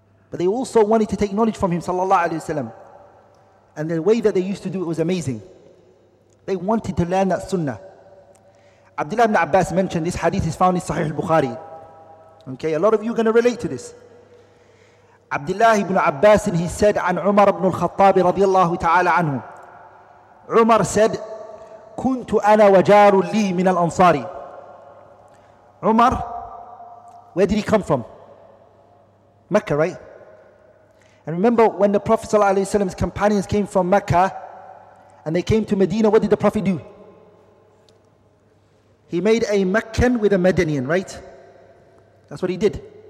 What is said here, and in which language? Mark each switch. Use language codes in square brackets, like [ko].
[en] But they also wanted to take knowledge from him, sallallahu alayhi wa sallam. And the way that they used to do it was amazing. They wanted to learn that sunnah. Abdullah ibn Abbas mentioned this hadith is found in Sahih al-Bukhari. Okay, a lot of you are going to relate to this. Abdullah ibn Abbas, and he said, [ar] عن عمر بن الخطاب رضي الله تعالى عنه. [en] Umar said, [ar] كنت أنا وجار لي من الأنصاري. [en] Umar, where did he come from? Mecca, right? And remember when the Prophet ﷺ's companions came from Mecca and they came to Medina, what did the Prophet do? He made a Meccan with a Medinian, right? That's what he did.